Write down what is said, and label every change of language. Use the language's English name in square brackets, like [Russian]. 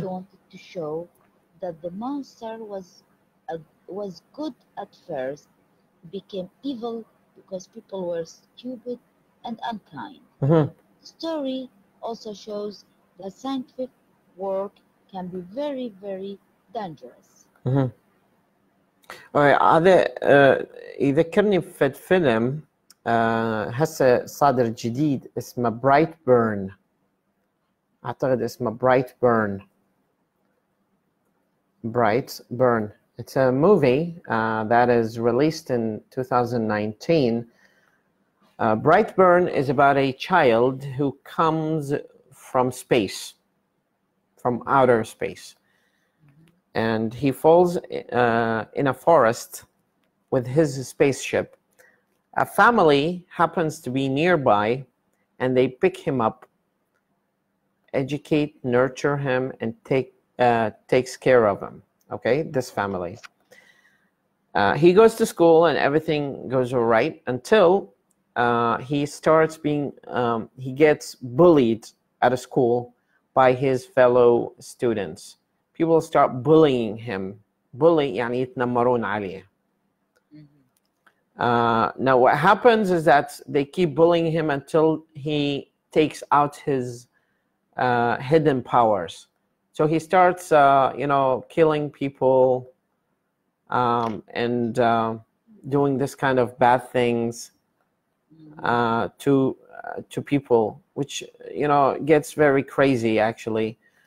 [English] She wanted to show that the monster was good at first, became evil because people were stupid and unkind. Mm-hmm. The story also shows that scientific work can be very, very dangerous. Mm-hmm. All right, are there, either can you fit film [Arabic] هسه صادر جديد اسمه برايت بيرن، اعتقد اسمه برايت بيرن، برايت بيرن. [English] It's a movie that is released in 2019. Brightburn is about a child who comes from space, from outer space. And he falls in a forest with his spaceship. A family happens to be nearby and they pick him up, educate, nurture him, and takes care of him. Okay, this family. He goes to school and everything goes all right until he starts being, he gets bullied at a school by his fellow students. People start bullying him. [Arabic] Bully, يعني يتنمرون عليه. [English] Now what happens is that they keep bullying him until he takes out his hidden powers. So he starts, you know, killing people and doing this kind of bad things to people, which, you know, gets very crazy, actually.